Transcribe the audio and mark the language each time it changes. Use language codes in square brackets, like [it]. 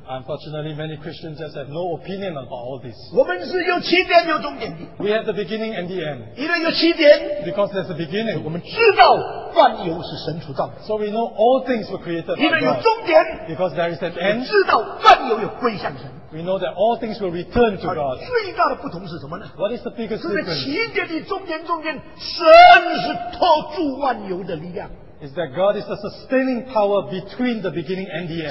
[en] Unfortunately, many Christians just have no opinion about all this. [zh] 我们是有起点有终点的。 [en] We have the beginning and the end. [zh] 因为有起点。 [en] Because there's a beginning. [zh] 我们知道万有是神所造的。 [en] So we know all things were created by God. [zh] 因为有终点。 [en] Because there is an end. [zh] 知道万有有归向神。 [en] We know that all things will return to God. [zh] 最大的不同是什么呢? [en] What is the biggest difference? [zh] 是在起点的中间, [en] is that God is the sustaining power between the beginning and the end.